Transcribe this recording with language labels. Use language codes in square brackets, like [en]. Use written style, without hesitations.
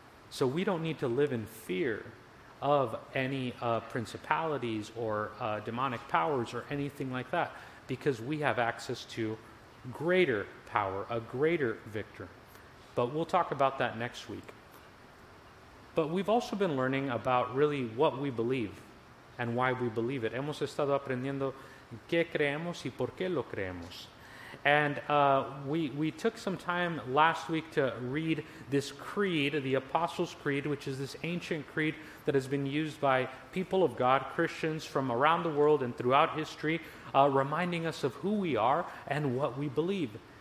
[en] So we don't need to live in fear of any principalities or demonic powers or anything like that, because we have access to greater power, a greater victor. But we'll talk about that next week. But we've also been learning about really what we believe and why we believe it. [es] Hemos estado aprendiendo qué creemos y por qué lo creemos. [en] And we took some time last week to read this creed, the Apostles' Creed, which is this ancient creed that has been used by people of God, Christians from around the world and throughout history, reminding us of who we are and what we believe.